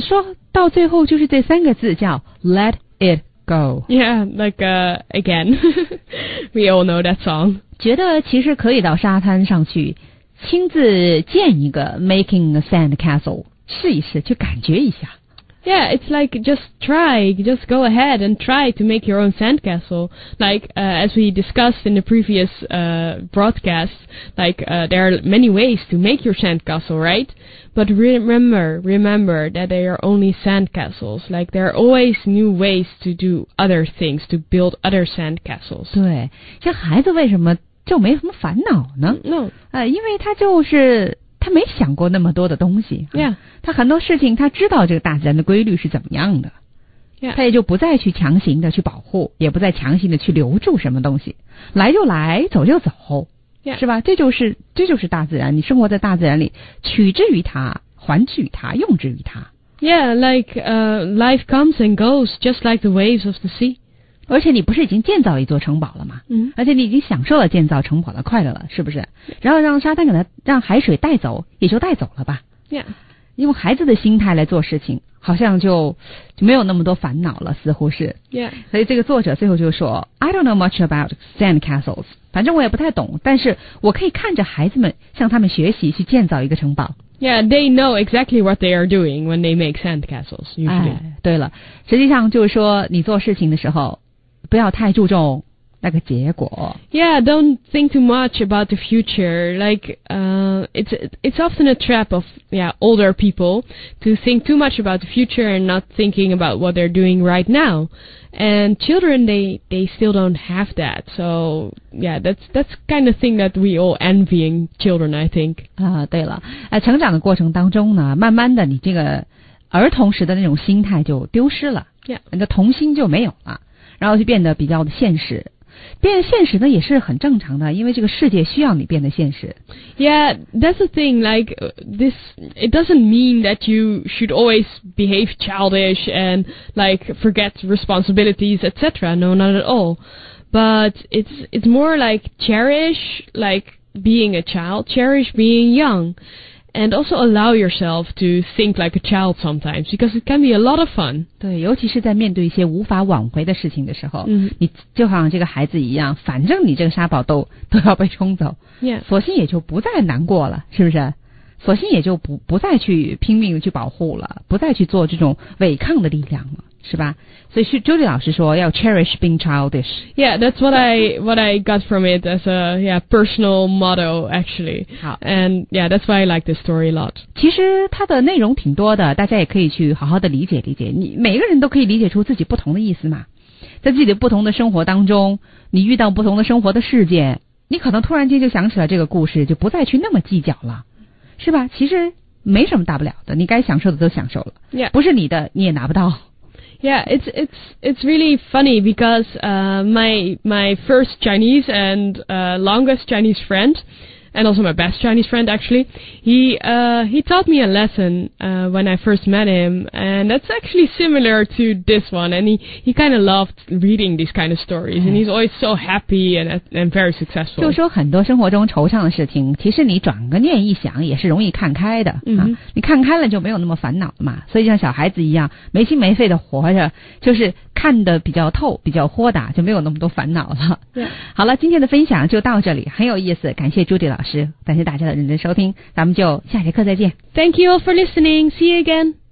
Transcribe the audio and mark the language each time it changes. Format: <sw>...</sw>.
<zh>说到最后就是这三个字叫</zh> <en>Let it go. Yeah, like again. We all know that song.</en> <zh>觉得其实可以到沙滩上去亲自建一个</zh> <en>Making a sand castle</en> <zh>试一试，去感觉一下。</zh> <en>Yeah, it's like just try. Just go ahead and try to make your own sand castle. Like as we discussed in the previous broadcast, like there are many ways to make your sand castle, rightBut remember that they are only sandcastles. Like, there are always new ways to do other things, to build other sandcastles.</en> <zh>对，这孩子为什么就没什么烦恼呢？</zh> <en>No.</en> <zh>因为他就是，他没想过那么多的东西。</zh> <en>Yeah.</en> <zh>他很多事情，他知道这个大自然的规律是怎么样的。</zh> <en>Yeah.</en> <zh>他也就不再去强行的去保护，也不再强行的去留住什么东西。来就来，走就走。</zh> <en>Yeah.</en> <zh>是吧？这就是大自然。你生活在大自然里，取之于它，还之于它，用之于它。</zh> <en>Yeah, like life comes and goes, just like the waves of the sea.</en> <zh>而且你不是已经建造一座城堡了吗？嗯。而且你已经享受了建造城堡的快乐了，是不是？然后让沙滩给它，让海水带走，也就带走了吧。</zh> <en>Yeah.</en> <zh>用孩子的心态来做事情，好像就没有那么多烦恼了，似乎是。</zh> <en>Yeah.</en> <zh>所以这个作者最后就说</zh> <en>，I don't know much about sand castles.</en> <zh>反正我也不太懂，但是我可以看着孩子们向他们学习去建造一个城堡。</zh> <en>Yeah, they know exactly what they are doing when they make sandcastles, usually.、</en> <zh>哎、对了，实际上就是说你做事情的时候不要太注重那个结果。</zh> <en>Yeah, don't think too much about the future. Like, it's often a trap of older people to think too much about the future and not thinking about what they're doing right now. And children, they still don't have that. So that's kind of thing that we all envying children, I think.</en> <zh>对了，成长的过程当中呢，慢慢的你这个儿童时的那种心态就丢失了，</zh> <en>yeah.</en> <zh>你的童心就没有了，然后就变得比较的现实。变现实呢也是很正常的，因为这个世界需要你变得现实。</zh> <en>Yeah, that's the thing, like this, it doesn't mean that you should always behave childish and like forget responsibilities, etc. No, not at all. But it's more like cherish like being a child, cherish being young, and also allow yourself to think like a child sometimes, because it can be a lot of fun.</en> <zh>对，尤其是在面对一些无法挽回的事情的时候， mm-hmm. 你就好像这个孩子一样，反正你这个沙堡都要被冲走，</zh> <en>yeah.</en> <zh>索性也就不再难过了，是不是？索性也就不再去拼命去保护了，不再去做这种违抗的力量了。是吧？所以Julie老师说要</zh> <en>cherish being childish. Yeah, that's what I got from it as a personal motto actually.</en> <zh>好</zh> <en>，and yeah, that's why I like this story a lot.</en> <zh>其实它的内容挺多的，大家也可以去好好的理解理解。你每个人都可以理解出自己不同的意思嘛，在自己的不同的生活当中，你遇到不同的生活的事件，你可能突然间就想起了这个故事，就不再去那么计较了，是吧？其实没什么大不了的，你该享受的都享受了，</zh> <en>yeah.</en> <zh>不是你的你也拿不到。</zh> <en>Yeah, it's really funny because my first Chinese and longest Chinese friend, and also my best Chinese friend actually, he taught me a lesson when I first met him, and that's actually similar to this one. And he kind of loved reading these kind of stories, and he's always so happy and very successful.</en> <zh>就说很多生活中惆怅的事情，其实你转个念一想，也是容易看开的、 mm-hmm. 啊。你看开了就没有那么烦恼了嘛。所以像小孩子一样，没心没肺的活着，就是看得比较透，比较豁达，就没有那么多烦恼了。</zh> <en>Yeah.</en> <zh>好了，今天的分享就到这里，很有意思，感谢朱迪老师，感谢大家的认真收听，咱们就下节课再见。</zh> <en>Thank you all for listening. See you again.</en>